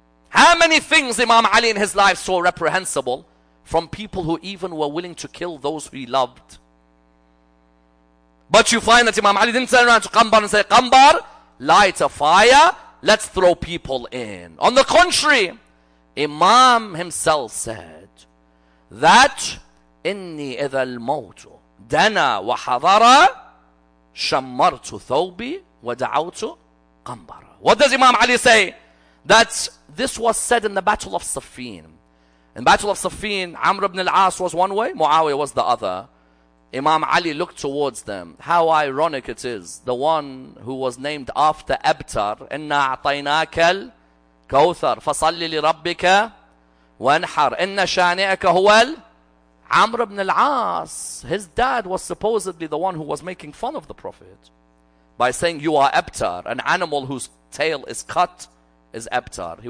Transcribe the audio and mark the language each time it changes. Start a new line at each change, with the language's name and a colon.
English: How many things Imam Ali in his life saw reprehensible from people who even were willing to kill those who he loved? But you find that Imam Ali didn't turn around to Qambar and say, Qambar, light a fire, let's throw people in. On the contrary, Imam himself said that
Arabic: إني إذا الموت دنا وحضر شمرت ثوبي ودعوت قنبر.
English: What does Imam Ali say? That this was said in the Battle of Safin. In Battle of Safin, Amr ibn al-As was one way, Muawiyah was the other. Imam Ali looked towards them. How ironic it is. The one who was named after Abtar,
Arabic: إِنَّا أَعْطَيْنَاكَ الْكَوْثَرِ فَصَلِّ لِرَبِّكَ وَانْحَرِ إِنَّ شَانِئَكَ هُوَ
English: Amr ibn al-As, his dad was supposedly the one who was making fun of the Prophet by saying, you are Abtar, an animal whose tail is cut is Abtar.